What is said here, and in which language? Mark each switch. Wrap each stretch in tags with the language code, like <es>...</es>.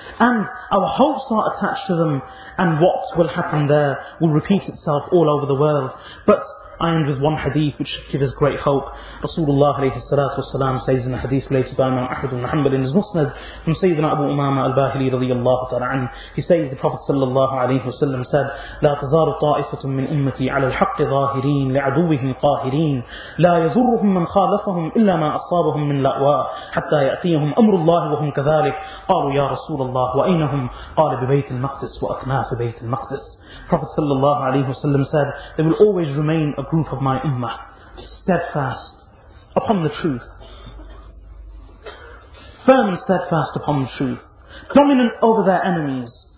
<en>And our hopes are attached to them, and what will happen there will repeat itself all over the world. But I end with one hadith which should give us great hope. Rasulullah alayhi salatu wasalam says in a hadith related by Imam Ahmad ibn Hanbal in his Musnad from Sayyidina Abu Umama al-Bahili radiyallahu ta'ala anhu. He says the Prophet sallallahu alayhi wasallam said,</en> <ar>لَا تَزَارُ طَائِفَةٌ مِّنْ أُمَّتِي عَلَى الْحَقِّ ظَاهِرِينَ لِعَدُوِّهِمْ قَاهِرِينَ لَا يَذُرُّهُمْ مَنْ خَالَفَهُمْ إِلَّا مَا أَصَابَهُمْ مِنْ لَأْوَاءَ حَتَّى يَأْتِيَهُمْ أَمْرُ اللَّهِ وَهُمْ كَذَلِكَ. قَالُوا يَا رَسُولَ اللَّهِ وَأَيْنَهُمْ؟ قَالَ بِبَيْتِ الْمَقْدِسِ وَأَكْنَافِ بَيْتِ الْمَقْدِسِ.</ar> <en>Prophet sallallahu alayhi wasallam said, they will always remain a group of my ummah, steadfast upon the truth, firm and steadfast upon the truth, dominant over their enemies,</en>